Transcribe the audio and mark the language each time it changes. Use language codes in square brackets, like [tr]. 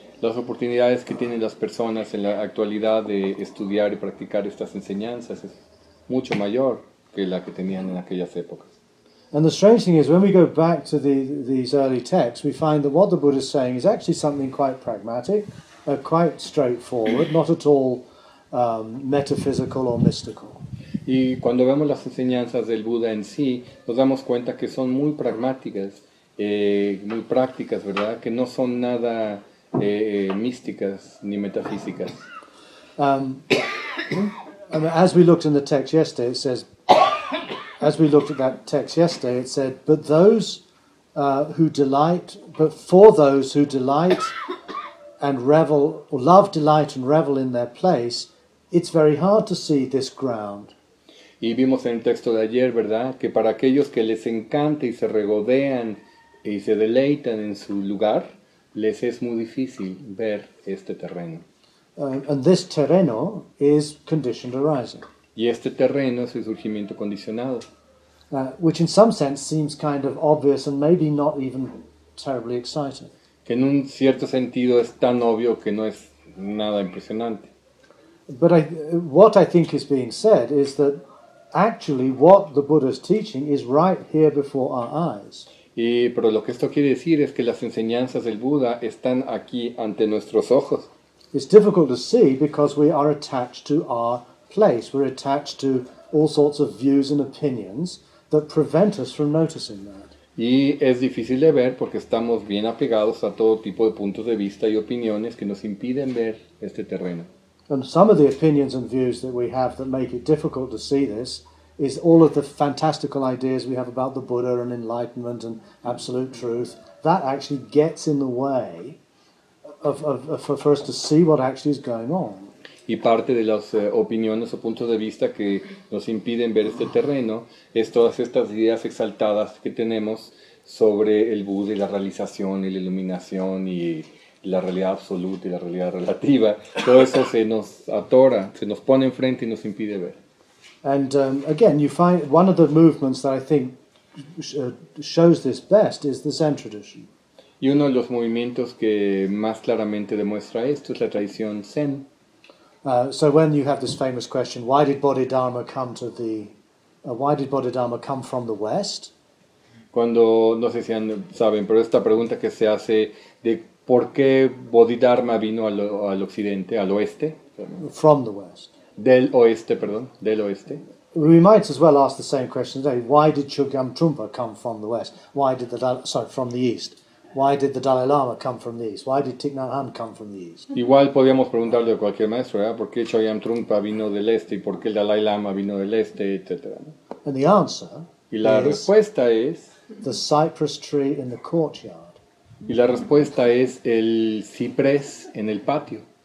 [es] Las oportunidades que tienen las personas en la actualidad de estudiar y practicar estas enseñanzas es mucho mayor que la que tenían en aquellas épocas. [en] And the strange thing is, when we go back to these early texts, we find that what the Buddha is saying is actually something quite pragmatic, quite straightforward, not at all metaphysical or mystical. [es] Y cuando vemos las enseñanzas del Buda en sí, nos damos cuenta que son muy pragmáticas, muy prácticas, ¿verdad? Que no son nada místicas ni metafísicas. [en] As we looked in the text yesterday, it says, as we looked at that text yesterday, it said, but those who delight, but for those who delight and revel, or love, delight and revel in their place, it's very hard to see this ground. [es] Y vimos en el texto de ayer, ¿verdad?, que para aquellos que les encanta y se regodean y se deleitan en su lugar, les es muy difícil ver este terreno. [en] And this terreno is conditioned arising. [es] Y este terreno es el surgimiento condicionado. [en] Which in some sense seems kind of obvious and maybe not even terribly exciting. [es] Que en un cierto sentido es tan obvio que no es nada impresionante. [en] But what I think is being said is that actually what the Buddha's teaching is right here before our eyes. [es] Y pero lo que esto quiere decir es que las enseñanzas del Buda están aquí ante nuestros ojos. [en] It's difficult to see because we are attached to our place. We're attached to all sorts of views and opinions that prevent us from noticing that. [es] Y es difícil de ver porque estamos bien apegados a todo tipo de puntos de vista y opiniones que nos impiden ver este terreno. [en] And some of the opinions and views that we have that make it difficult to see this is all of the fantastical ideas we have about the Buddha and enlightenment and absolute truth. That actually gets in the way for us to see what actually is going on. [es] Y parte de las opiniones o puntos de vista que nos impiden ver este terreno es todas estas ideas exaltadas que tenemos sobre el Buda y la realización y la iluminación y la realidad absoluta y la realidad relativa. Todo eso se nos atora, se nos pone enfrente y nos impide ver. [en] And again, you find one of the movements that I think shows this best is the Zen tradition. [es] Y uno de los movimientos que más claramente demuestra esto es la tradición Zen. [en] So when you have this famous question, why did Bodhidharma come to the, why did Bodhidharma come from the West? [es] Cuando, no sé si saben, pero esta pregunta que se hace de por qué Bodhidharma vino al occidente, al oeste. [en] From the West. [es] Del oeste, perdón, del oeste. [en] We might as well ask the same question today. Why did Chogyam Trungpa come from the West? Why did the, from the East? Why did the Dalai Lama come from the East? Why did Thich Nhat Hanh come from the East? [es] Igual podríamos preguntarle a cualquier maestro, ¿verdad? ¿Por qué Chogyam Trungpa vino del este y por qué el Dalai Lama vino del este, etcétera? [en] And the answer [es] y la respuesta es [en] the cypress tree in the courtyard. [es] Y la respuesta es el ciprés en el patio.